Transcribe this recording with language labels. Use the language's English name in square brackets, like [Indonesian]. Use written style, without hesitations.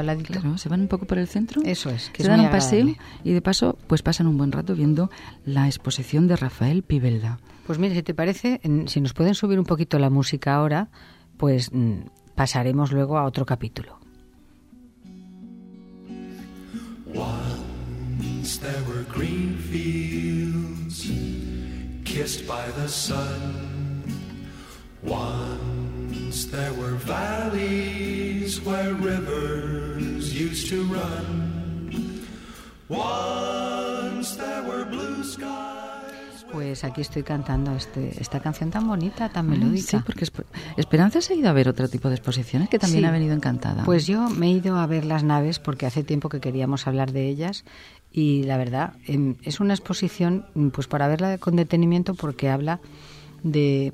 [Spanish] Claro, se van un poco por el centro. Eso es, que se dan un paseo y de paso pues pasan un buen rato viendo la exposición de Rafael Pibelda. Pues mire, si te parece, si nos pueden subir un poquito la música ahora, pues pasaremos luego a otro capítulo. [English] Once there were green fields kissed by the sun. Once there were valleys where rivers used to run. Once there were blue skies. [Spanish] Pues aquí estoy cantando esta canción tan bonita, tan melódica. Sí, porque Esperanza se ha ido a ver otro tipo de exposiciones que también sí, ha venido encantada. Pues yo me he ido a ver Las Naves porque hace tiempo que queríamos hablar de ellas y la verdad es una exposición pues para verla con detenimiento porque habla de...